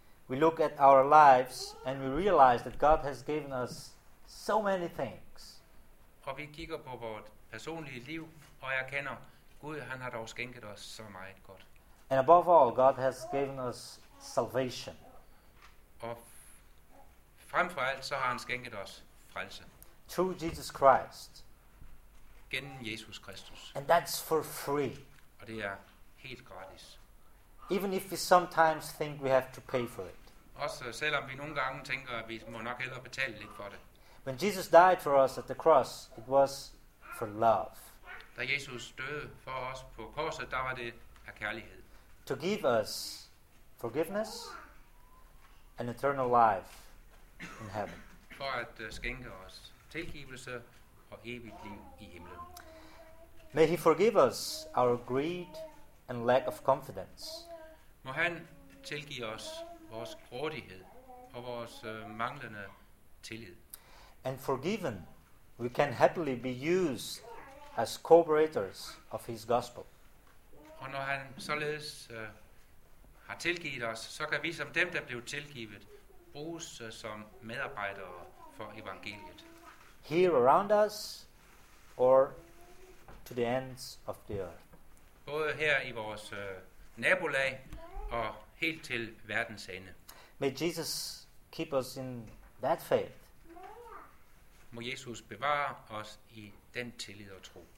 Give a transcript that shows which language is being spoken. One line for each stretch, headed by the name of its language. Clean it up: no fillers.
English: We look at our lives and we realize that God has given us so many things.
Danish: Og vi kigger på vores personlige liv og erkender, Gud han har dog skænket os så meget godt.
English: And above all, God has given us salvation.
Danish: Og frem for alt så har han skænket os frelse.
English: Through Jesus Christ.
Danish: Gennem Jesus Kristus.
English: And that's for free.
Danish: Og det er helt gratis.
English: Even if we sometimes think we have to pay for it.
Danish: Også selvom vi nogle gange tænker, at vi må nok hellere betale lidt for det.
English: When Jesus died for us at the cross, it was for love.
Danish: Da Jesus døde for os på korset, der var det af kærlighed.
English: To give us forgiveness and eternal life in heaven.
Danish: For at skænke os tilgivelse og evigt liv i himlen.
English: May he forgive us our greed and lack of confidence.
Danish: Må han tilgive os vores grådighed og vores manglende tillid.
English: And forgiven, we can happily be used as cooperators of his gospel.
Danish: Og når han således har tilgivet os, så kan vi som dem, der blev tilgivet, bruges som medarbejdere for evangeliet.
English: Here around us, or to the ends of the earth.
Danish: Både her i vores nabolag, og helt til verdens ende.
English: May Jesus keep us in that faith.
Danish: Må Jesus bevare os i den tillid og tro.